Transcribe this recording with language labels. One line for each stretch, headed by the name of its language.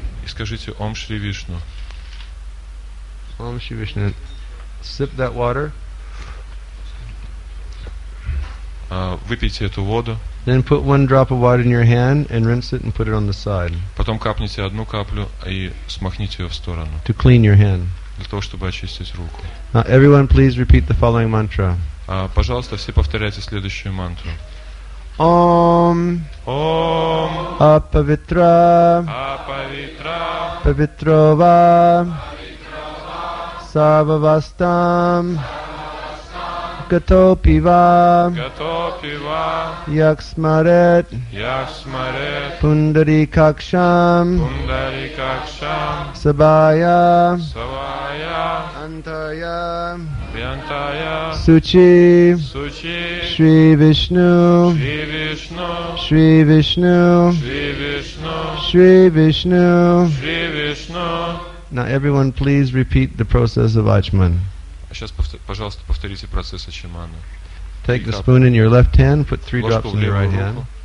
Russian: И скажите
Sanskrit: Om Shri Vishnu. Om Shri Vishnu.
English: Sip that water.
Russian: Выпейте эту воду.
English: Then put one drop of water in your hand and rinse it and put it on the side. Потом капните одну каплю и смахните ее в сторону. To clean your hand. Для того, чтобы очистить руку. Now everyone, please repeat the following mantra.
Russian: Пожалуйста, все повторяйте следующую мантру.
Sanskrit: Om. Om. Apavitra. Apavitra. Pavitrova. Pavitrova. Savavastam. Gatopiva, Gatopiva, Yaksmaret, Yaksmaret, Pundarikaksham, Pundarikaksham, Sabaya, Sabaya, Antaya, Vyantaya, Suchi, Suchi, Shri Vishnu, Shri Vishnu, Shri Vishnu, Shri Vishnu, Shri Vishnu, Shri Vishnu.
English: Now everyone, please repeat the process of Ачман.
Russian: Сейчас, пожалуйста, повторите процесс Ачмана.
English: Take the spoon in your left hand, put three drops in your right hand.